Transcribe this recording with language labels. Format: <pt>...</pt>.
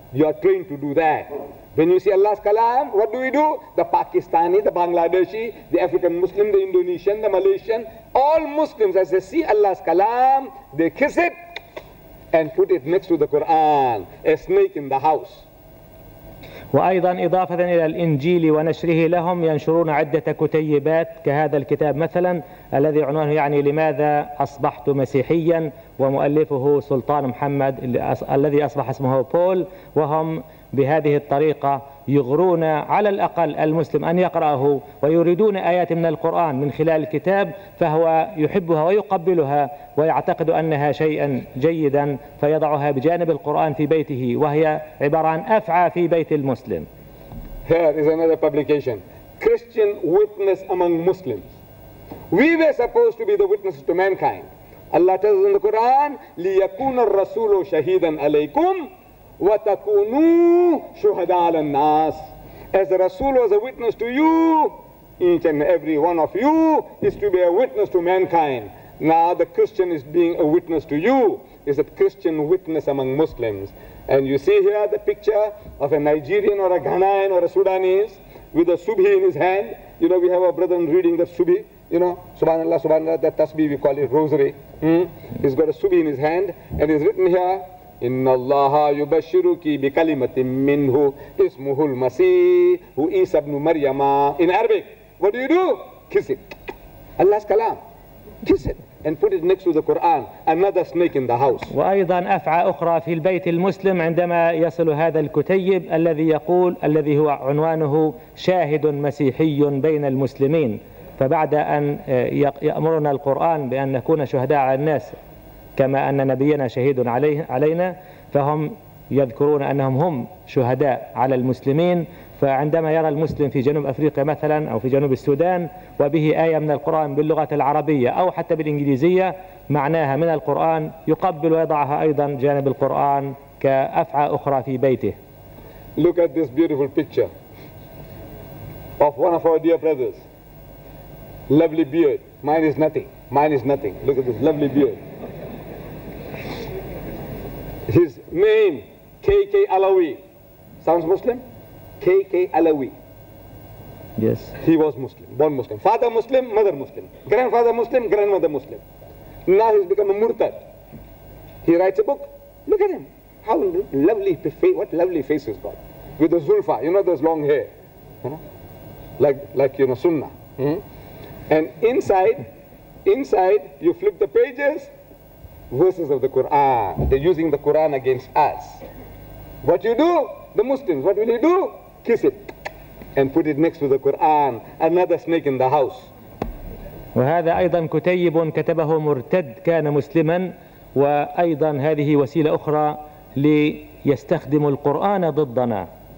<en>You are trained to do that. When you see Allah's kalam, what do? The Pakistani, the Bangladeshi, the African Muslim, the Indonesian, the Malaysian, all Muslims, as they see Allah's kalam, they kiss it and put it next to the Quran, a snake in the house.</en> <ar>وأيضا إضافة إلى الإنجيل ونشره لهم ينشرون عدة كتيبات كهذا الكتاب مثلا الذي عنوانه يعني لماذا أصبحت مسيحيا ومؤلفه سلطان محمد الذي أصبح اسمه بول وهم بهذه الطريقة يغرون على الأقل المسلم أن يقرأه ويريدون آيات من القرآن من خلال الكتاب فهو يحبها ويقبلها ويعتقد أنها شيئا جيدا فيضعها بجانب القرآن في بيته وهي عبارة عن أفعى في بيت المسلم.</ar> <en>Here is another publication. Christian witness among Muslims. We were supposed to be the witnesses to mankind. Allah tells us in the Quran,</en> <ar>لِيَكُونَ الرَّسُولُ شَهِيدًا عَلَيْكُمْ وَتَكُونُوا شُهَدَى عَلَى النَّاسِ.</ar> <en>As the Rasul was a witness to you, each and every one of you is to be a witness to mankind. Now the Christian is being a witness to you. Is a Christian witness among Muslims. And you see here the picture of a Nigerian or a Ghanaian or a Sudanese with a subhi in his hand. You know, we have our brethren reading the subhi. You know, Subhanallah, Subhanallah, that tasbih, we call it rosary. He's got a subhi in his hand and he's written here,</en> <ar>إِنَّ اللَّهَ يُبَشِّرُكِ بِكَلِمَةٍ مِّنْهُ إِسْمُهُ الْمَسِيحُ إِسَى بْنُ مَرْيَمَا.</ar> <en>In Arabic, what do you do? Kiss it. Allah's kalam. Kiss it and put it next to the Quran. Another snake in the house.</en> <ar>وأيضا أفعى أخرى في البيت المسلم عندما يصل هذا الكتيب الذي يقول الذي هو عنوانه شاهد مسيحي بين المسلمين فبعد أن يأمرنا القرآن بأن نكون شهداء على الناس كما أن نبينا شهيد علينا فهم يذكرون أنهم هم شهداء على المسلمين فعندما يرى المسلم في جنوب أفريقيا مثلا أو في جنوب السودان وبه آية من القرآن باللغة العربية أو حتى بالإنجليزية معناها من القرآن يقبل ويضعها أيضا جانب القرآن كأفعى أخرى في بيته.</ar> <en>Look at this beautiful picture of one of our dear brothers. Lovely beard. Mine is nothing. Look at this lovely beard. His name, K.K. Alawi. Sounds Muslim? K.K. Alawi. Yes. He was Muslim, born Muslim. Father Muslim, mother Muslim. Grandfather Muslim, grandmother Muslim. Now he's become a murtad. He writes a book. Look at him. How lovely, what lovely face he's got. With the zulfa, you know, those long hair. Like sunnah. And inside, you flip the pages, verses of the Quran. They're using the Quran against us. What you do, the Muslims, what will you do? Kiss it and put it next to the Quran. Another snake in the house.</en> <ar>وهذا أيضا كتيب كتبه مرتد كان مسلما وأيضا هذه وسيلة أخرى ليستخدم القرآن ضدنا.</ar>